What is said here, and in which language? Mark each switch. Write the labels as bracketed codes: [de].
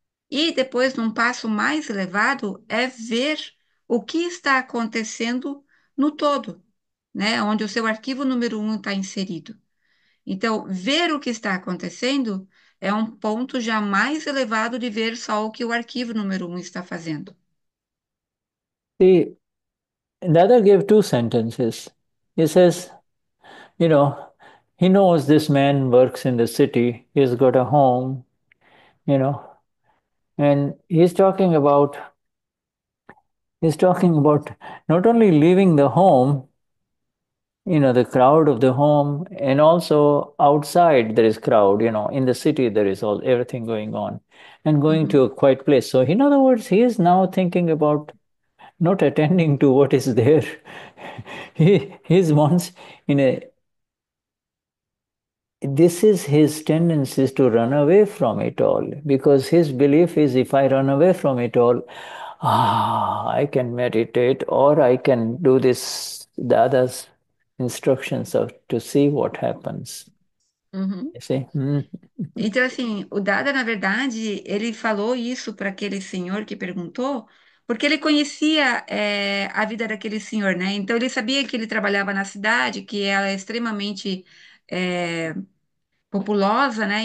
[pt] E depois, num passo mais elevado, é ver o que está acontecendo no todo, né? Onde o seu arquivo número 1 está inserido. Então, ver o que está acontecendo é um ponto já mais elevado de ver só o que o arquivo número 1 está fazendo. [en] See, Dada gave two sentences. He says, he knows this man works in the city, he's got a home, and he's talking about not only leaving the home, the crowd of the home, and also outside there is crowd, in the city there is all everything going on, and going to a quiet place. So in other words, he is now thinking about not attending to what is there. He wants in a this is his tendencies to run away from it all, because his belief is, if I run away from it all, I can meditate, or I can do this Dada's instructions of to see what happens. You see? [pt] Então, assim, o Dada, na verdade, ele falou isso para aquele senhor que perguntou, porque ele conhecia, a vida daquele senhor, né? Então, ele sabia que ele trabalhava na cidade, que ela é extremamente, populosa, né?